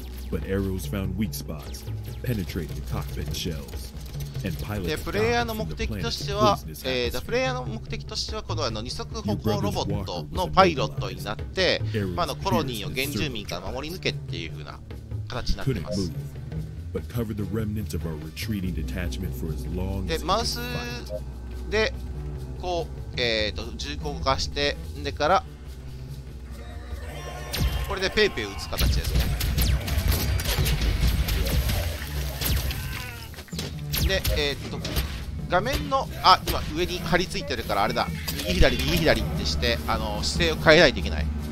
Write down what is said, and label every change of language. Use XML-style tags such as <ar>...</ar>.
<en>But arrows found weak spots, penetrating the cockpit shells. And pilots.</en> <ja>プレイヤーの目的としては、プレイヤーの目的としてはこの二足歩行ロボットのパイロットになって、まあのコロニーを原住民から守り抜けっていう風な形になってます。</ja> <en>But cover the remnants of our retreating detachment for as long as possible.</en> <ja>マウスでこう銃口を動かしてでからこれでペイペイ撃つ形ですね。で、画面の、今上に張り付いてるからあれだ、右左ってして、姿勢を変えないといけない。</ja>